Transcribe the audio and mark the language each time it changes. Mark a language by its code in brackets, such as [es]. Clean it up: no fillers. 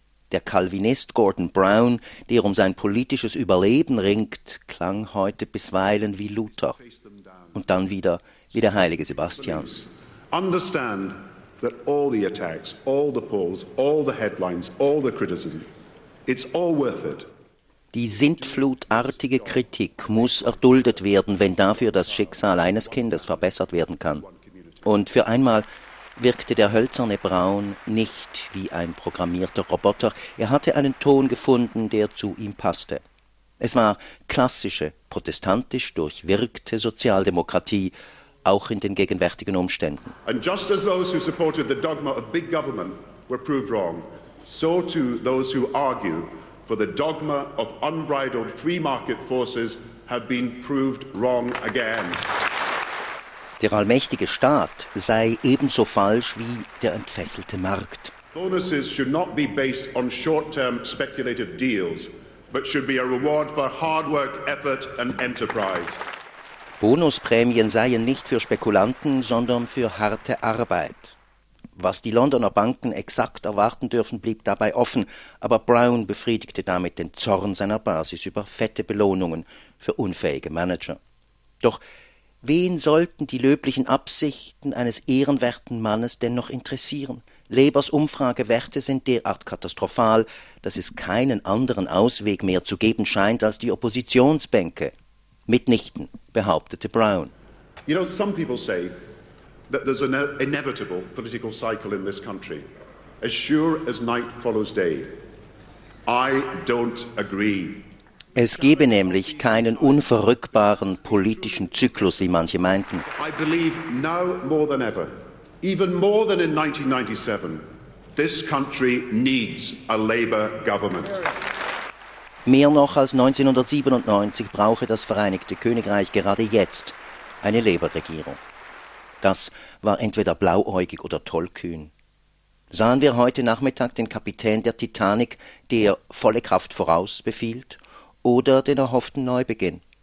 [de] Der Calvinist Gordon Brown, der um sein politisches Überleben ringt, klang heute bisweilen wie Luther. Und dann wieder wie der heilige Sebastian. [en] Understand that all the attacks, all the polls, all the headlines, all the criticism, it's all worth it. [de] Die sintflutartige Kritik muss erduldet werden, wenn dafür das Schicksal eines Kindes verbessert werden kann. Und für einmal wirkte der hölzerne Brown nicht wie ein programmierter Roboter. Er hatte einen Ton gefunden, der zu ihm passte. Es war klassische, protestantisch durchwirkte Sozialdemokratie, auch in den gegenwärtigen Umständen. Und [en] just as those who supported the dogma of big government were proved wrong, so too those who argue for the dogma of unbridled free market forces have been proved wrong again. [de] Der allmächtige Staat sei ebenso falsch wie der entfesselte Markt. [en] Bonuses should not be based on short-term speculative deals, but should be a reward for hard work, effort and enterprise. [de] Bonusprämien seien nicht für Spekulanten, sondern für harte Arbeit. Was die Londoner Banken exakt erwarten dürfen, blieb dabei offen, aber Brown befriedigte damit den Zorn seiner Basis über fette Belohnungen für unfähige Manager. Doch wen sollten die löblichen Absichten eines ehrenwerten Mannes denn noch interessieren? Labours Umfragewerte sind derart katastrophal, dass es keinen anderen Ausweg mehr zu geben scheint als die Oppositionsbänke. Mitnichten, behauptete Brown. [en] You know, some people say that there's an inevitable political cycle in this country, as sure as night follows day. I don't agree. [de] Es gebe nämlich keinen unverrückbaren politischen Zyklus, wie manche meinten. [en] I believe now more than ever, even more than in 1997, this country needs a Labour government. [de] Mehr noch als 1997 brauche das Vereinigte Königreich gerade jetzt eine Labour-Regierung. Das war entweder blauäugig oder tollkühn. Sahen wir heute Nachmittag den Kapitän der Titanic, der volle Kraft voraus befiehlt, oder den erhofften Neubeginn?